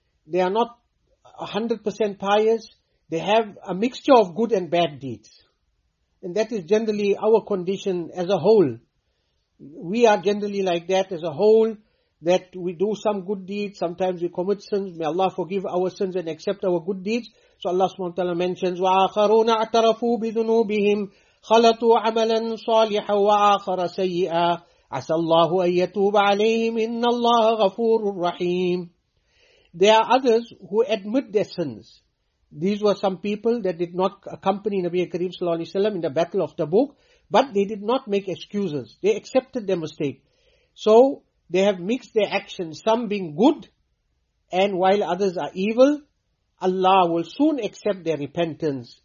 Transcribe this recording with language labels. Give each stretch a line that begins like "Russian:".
English: They are not 100% pious. They have a mixture of good and bad deeds. And that is generally our condition as a whole. We are generally like that as a whole, that we do some good deeds, sometimes we commit sins. May Allah forgive our sins and accept our good deeds. So Allah subhanahu wa ta'ala mentions,
Arabic: وَآخَرُونَ اَعْتَرَفُوا بِذُنُوبِهِمْ خَلَطُوا عَمَلًا صَالِحًا وَآخَرَ سَيِّئًا عَسَى اللَّهُ أَن يَتُوبَ عَلَيْهِمْ إِنَّ اللَّهَ غَفُورٌ رَحِيمٌ.
English: There are others who admit their sins. These were some people that did not accompany Nabi Kareem sallallahu alaihi wasallam in the battle of Tabuk, but they did not make excuses. They accepted their mistake. So they have mixed their actions, some being good, and while others are evil, Allah will soon accept their repentance.